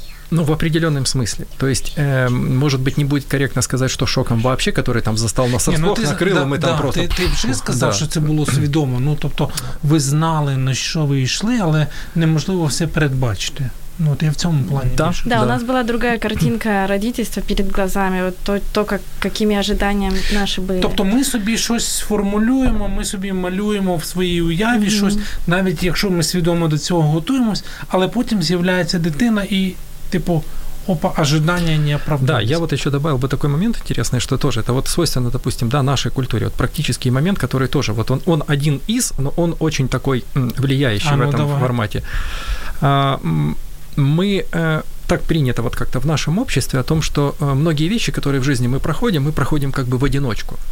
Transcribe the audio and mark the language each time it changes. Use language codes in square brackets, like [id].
[ru] Ну, в определенном смысле. То есть, может быть, не будет корректно сказать, что шоком вообще, который там застал нас расплох, ну, накрыл, да, мы там, да, просто... Ты уже сказал, да, что это было свідомо. Ну, тобто, вы знали, на что вы шли, [uk] але неможливо все передбачити. Ну, вот я в цьому плані. [ru] Да, да, у нас була друга картинка родительства перед глазами, от то как, какими ожиданиями наші були. [uk] Тобто ми собі щось сформулюємо, ми собі малюємо в своїй уяві mm-hmm. щось, навіть якщо ми свідомо до цього готуємось, але потім з'являється дитина і, типу, опа, [ru] ожидания не оправдались. Да, я вот еще добавил бы такой момент интересный, что тоже, это вот свойственно, допустим, да, нашей культуре, вот практический момент, который тоже, вот он один из, но он очень такой влияющий в этом формате. Мы так принято вот как-то в нашем обществе о том, что многие вещи, которые в жизни мы проходим как бы в одиночку.